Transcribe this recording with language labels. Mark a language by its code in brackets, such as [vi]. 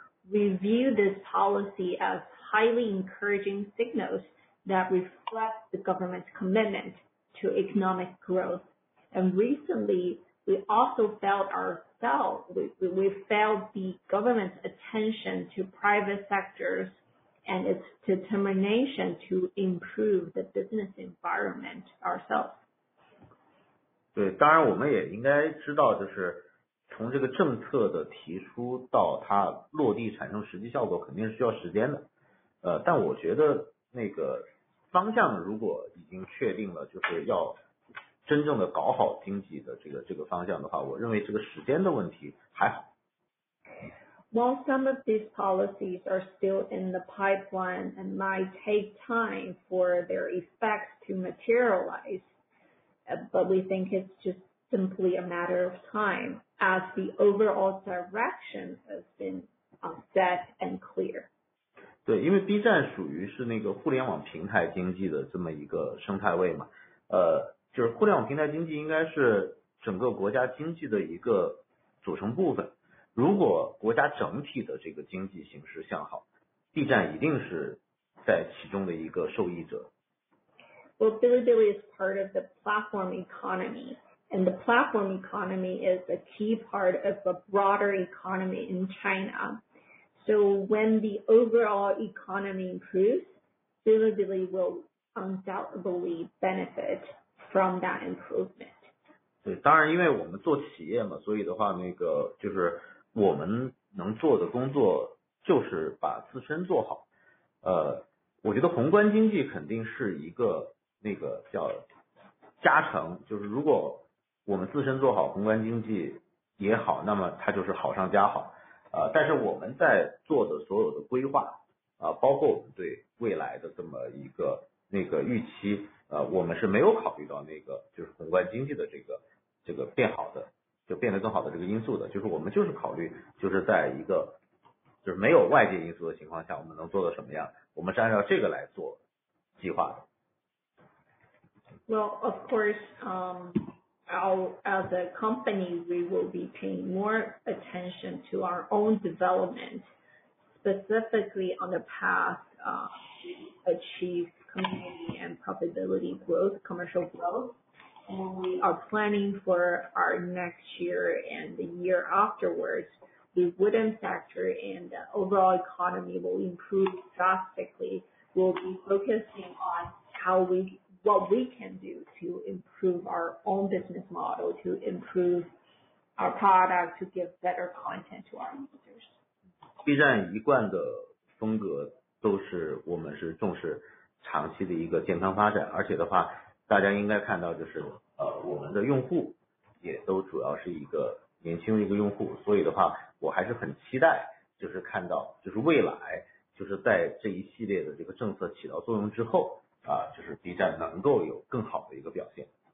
[en] We view this policy as highly encouraging signals that reflect the government's commitment to economic growth. And recently, we also felt we felt the government's attention to private sectors and its determination to improve the business environment ourselves. [zh] 对，当然我们也应该知道，就是从这个政策的提出到它落地产生实际效果，肯定是需要时间的。但我觉得那个方向如果已经确定了，就是要真正的搞好经济的这个方向的话，我认为这个时间的问题还好。 [en] While some of these policies are still in the pipeline and might take time for their effects to materialize, but we think it's just simply a matter of time as the overall direction has been set and clear. [zh] 对，因为 B 站属于是那个互联网平台经济的这么一个生态位嘛，就是互联网平台经济应该是整个国家经济的一个组成部分。如果国家整体的这个经济形势向好， B 站一定是在其中的一个受益者。 [en] Well, Bilibili is part of the platform economy, and the platform economy is a key part of a broader economy in China. So when the overall economy improves, Bilibili will undoubtedly benefit from that improvement. [zh] 对，当然因为我们做企业嘛，所以的话那个就是我们能做的工作就是把自身做好。我觉得宏观经济肯定是一个那个叫加成，就是如果我们自身做好，宏观经济也好，那么它就是好上加好。但是我们在做的所有的规划包括我们对未来的这么一个那个预期，我们是没有考虑到那个就是宏观经济的这个变好的。就变得更好的这个因素的，就是我们就是考虑就是在一个就是没有外界因素的情况下，我们能做的什么样，我们是按照这个来做计划的。 [en] Well, of course, as a company, we will be paying more attention to our own development, specifically on the path to achieve company and profitability growth, commercial growth. We are planning for our next year and the year afterwards, we wouldn't factor in the overall economy will improve drastically. We'll be focusing on what we can do to improve our own business model, to improve our product, to give better content to our users. [zh] B 站一贯的风格都是我们是重视长期的一个健康发展，而且的话大家应该看到就是我们的用户也都主要是一个年轻的一个用户，所以的话我还是很期待就是看到就是未来就是在这一系列的这个政策起到作用之后就是 B 站能够有更好的一个表现。